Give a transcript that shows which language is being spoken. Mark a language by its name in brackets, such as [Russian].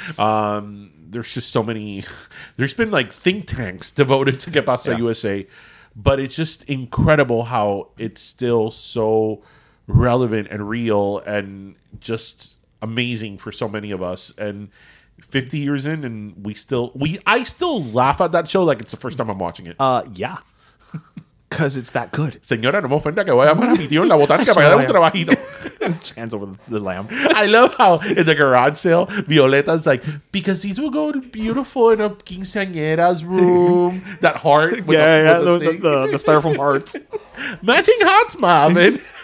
[English] There's just so many. There's been like think tanks devoted to Que Pasa USA, but it's just incredible how it's still so relevant and real and just amazing for so many of us. And 50 years in, and I still laugh at that show like it's the first time I'm watching it. Yeah. Because it's that good. [Spanish] Señora, no me ofenda que voy a mi tío en la botánica para un trabajito. [English] Hands over the lamb. I love how in the garage sale, Violeta's like, because these will go beautiful in a quinceañera's room. That heart. With the styrofoam hearts. Matching hearts, Marvin.